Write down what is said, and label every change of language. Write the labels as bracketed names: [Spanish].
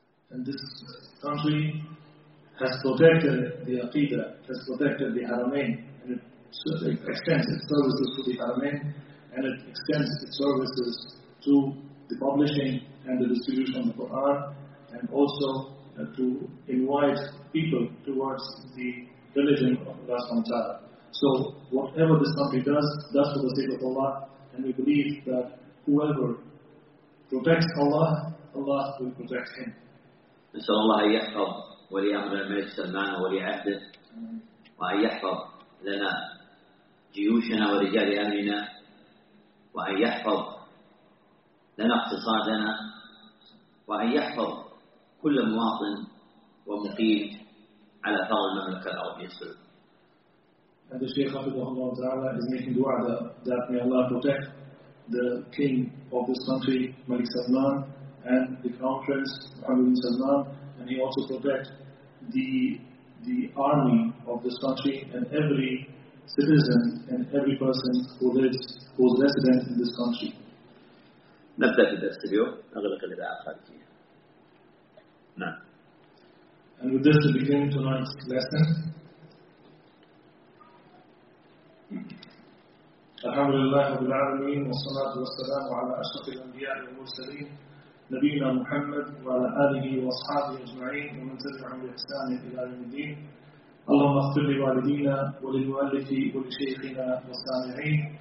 [English] And this country has protected the Aqidah, has protected the Haramain, and it extends its services to the Haramain, and it extends its services to the publishing and the distribution of the Quran, and also to invite people towards the religion of Allah subhanahu wa ta'ala. So whatever this country does for the sake of Allah, and we believe that whoever protects Allah, Allah will protect him. [Arabic] نسأل الله أن يحفظ ولي أمر الملك سلمان ولي عهده وأن يحفظ لنا جيوشنا ورجال أمننا وأن يحفظ لنا اقتصادنا وأن يحفظ كل مواطن ومقيم على فرض المملكة العربية السعودية. [English] And the Shaykh Hafidhahu Allah Ta'ala is making dua that may Allah protect the king of this country, Malik Salman, and the Crown Prince Mohammed bin Salman, and he also protect the army of this country and every citizen and every person who lives, who is resident in this country. [Arabic] نبدأ في الدرس اليوم أغلق الإذاعة الخارجية. نعم. [English] And with this to begin tonight's lesson. [Arabic] الحمد لله رب العالمين والصلاة والسلام على أشرف الأنبياء والمرسلين نبينا محمد وعلى آله وأصحابه أجمعين ومن تبعهم بإحسان إلى يوم الدين. اللهم اغفر لوالدينا وللمؤلف ولشيخنا والسامعين.